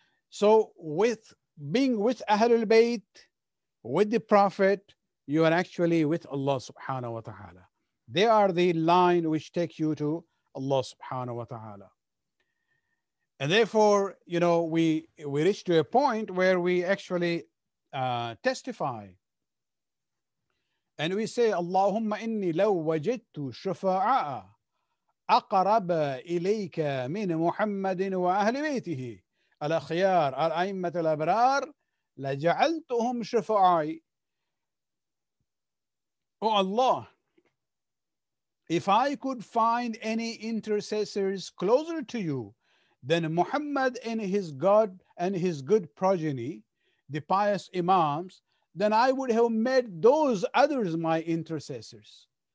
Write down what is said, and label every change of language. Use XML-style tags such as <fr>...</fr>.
<en>So with being with Ahlul Bayt, with the Prophet, you are actually with Allah subhanahu wa ta'ala. They are the line which take you to Allah subhanahu wa ta'ala. And therefore, you know, we reach to a point where we actually testify. And we say,</en> <ar>Allahumma inni law wajidtu shufa'a أقرب إليك من محمد وأهل بيته الأخيار الأئمة الأبرار لجعلتهم شفعائي.</ar> <en>Oh Allah, if I could find any intercessors closer to you than Muhammad and his God and his good progeny, the pious imams, then I would have made those others my intercessors.</en>